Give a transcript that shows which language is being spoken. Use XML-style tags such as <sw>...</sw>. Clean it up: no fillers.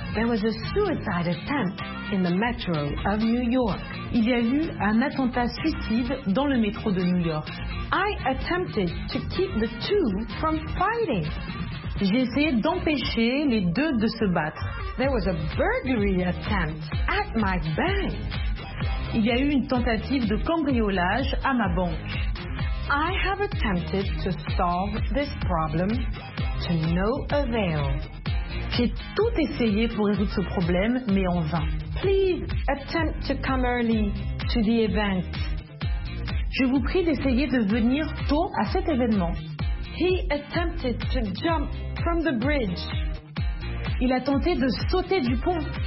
<en>There was a suicide attempt in the metro of New York.</en> <fr>Il y a eu un attentat suicide dans le métro de New York.</fr> <en>I attempted to keep the two from fighting.</en> <fr>J'ai essayé d'empêcher les deux de se battre.</fr> <en>There was a burglary attempt at my bank.</en> <fr>Il y a eu une tentative de cambriolage à ma banque.</fr> <en>I have attempted to solve this problem to no avail.</en> <fr>J'ai tout essayé pour résoudre ce problème, mais en vain.</fr> <en>Please attempt to come early to the event.</en> <fr>Je vous prie d'essayer de venir tôt à cet événement.</fr> <en>He attempted to jump from the bridge.</en> <fr>Il a tenté de sauter du pont.</fr>